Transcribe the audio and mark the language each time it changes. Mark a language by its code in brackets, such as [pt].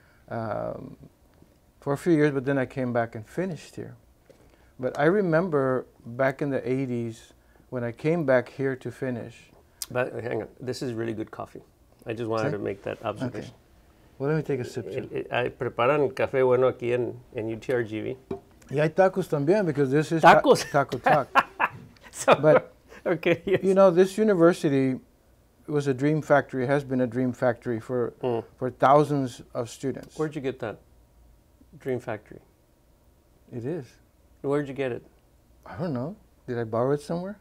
[en] for a few years, but then I came back and finished here. But I remember back in the 80s when I came back here to finish. But hang on, this is really good coffee. I just wanted to make that observation. Okay. Well, let me take a sip, too. [es] I preparan café bueno aquí en UTRGV. Y hay tacos también, [en] because this is tacos. Taco Talk. So, but, okay, yes. You know, this university was a dream factory, has been a dream factory for thousands of students. Where'd you get that dream factory? It is. Where'd you get it? I don't know. Did I borrow it somewhere?